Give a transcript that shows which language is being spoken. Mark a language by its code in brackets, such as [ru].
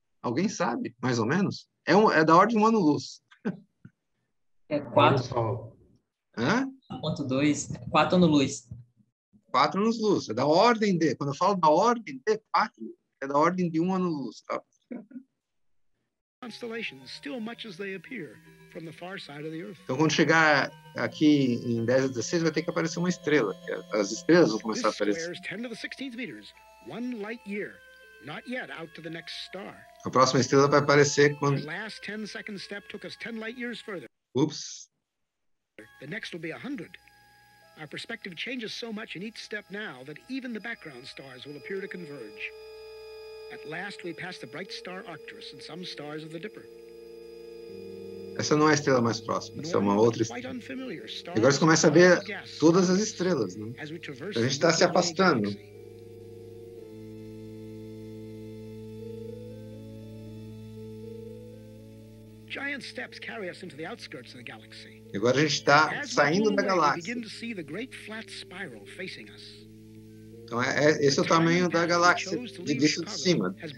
[pt] Alguém sabe, mais ou menos? É da ordem de um ano-luz. É 4. Hã? 1.2. 4 ano-luz. 4 ano-luz. É da ordem de... Quando eu falo da ordem de 4, é da ordem de um ano-luz, tá? [en] Constellations, still much as they appear from the far side of the Earth. [pt] Então, quando chegar aqui em 10 a 16, vai ter que aparecer uma estrela. As estrelas vão começar a aparecer. [en] 10 to the 16 meters, one light year, not yet out to the next star. [pt] A próxima estrela vai aparecer quando. [en] The last 10 second step took us 10 light years further. Oops. The next will be 100. Our perspective changes so much in each step now that even the background stars will appear to converge. At last we pass the bright star Arcturus and some stars of the Dipper. [pt] Essa não é a estrela mais próxima, essa é uma outra estrela. E agora você começa a ver todas as estrelas, né? A gente está se afastando. [en] Giant steps carry us into the outskirts of the galaxy. [pt] E agora a gente está saindo da galáxia. [en] Begin to see the great flat spiral facing us. [pt] Então, esse é o tamanho da galáxia de bicho de cima.